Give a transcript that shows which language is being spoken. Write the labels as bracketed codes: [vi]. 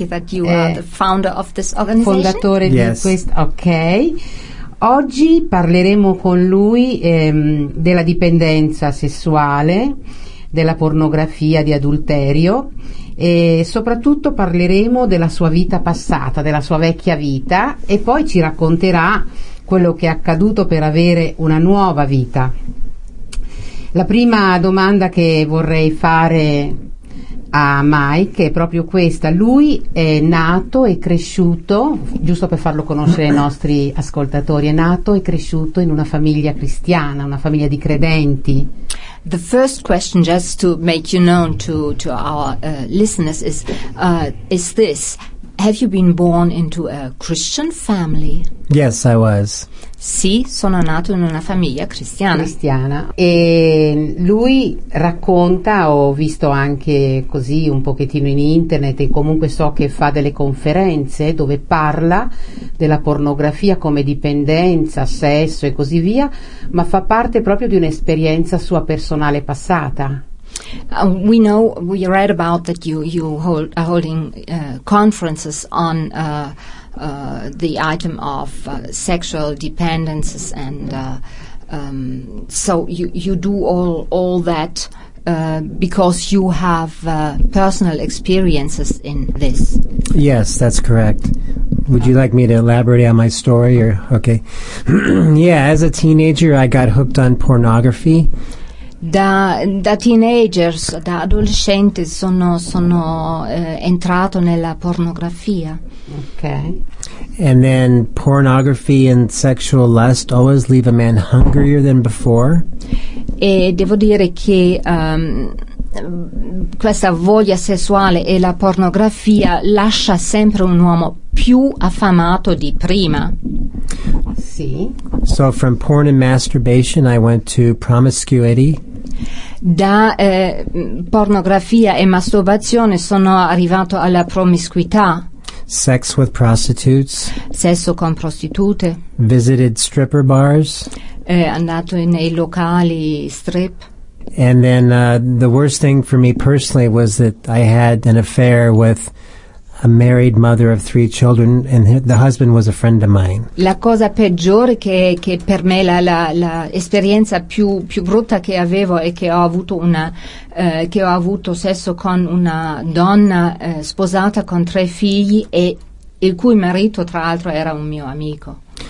[en] That you are the founder of this organization? [it] Fondatore di questo, ok. Oggi parleremo con lui della dipendenza sessuale, della pornografia, di adulterio, e soprattutto parleremo della sua vita passata, della sua vecchia vita, e poi ci racconterà quello che è accaduto per avere una nuova vita. La prima domanda che vorrei fare a Mike è proprio questa. Lui è nato e cresciuto, giusto per farlo conoscere ai nostri ascoltatori, è nato e cresciuto in una famiglia cristiana, una famiglia di credenti. [en] The first question, just to make you known to our listeners, is this. Have you been born into a Christian family? Yes, I was. [it] Sì, sono nato in una famiglia cristiana. Cristiana. E lui racconta, ho visto anche così un pochettino in internet, e comunque so che fa delle conferenze dove parla della pornografia come dipendenza, sesso e così via, ma fa parte proprio di un'esperienza sua personale passata. [en] We know, we read about that you are holding conferences on the item of sexual dependencies, and so you do all that because you have personal experiences in this. Yes, that's correct. Would you like me to elaborate on my story? Or okay, yeah. As a teenager, I got hooked on pornography. [it] Da teenager, da adolescente, sono entrato nella pornografia. [en] Okay. And then pornography and sexual lust always leave a man hungrier than before. [it] E devo dire che questa voglia sessuale e la pornografia lascia sempre un uomo più affamato di prima. Sì. [en] So from porn and masturbation I went to promiscuity. [it] Da pornografia e masturbazione sono arrivato alla promiscuità. [en] Sex with prostitutes. [it] Sesso con prostitute. [en] Visited stripper bars. [it] Andato nei locali strip. [en] And then the worst thing for me personally was that I had an affair with a married mother of three children, and the husband was a friend of mine. [it] La cosa peggiore che per me la esperienza più brutta che avevo è che ho avuto sesso con una donna sposata con tre figli, e il cui marito tra l'altro era un mio amico.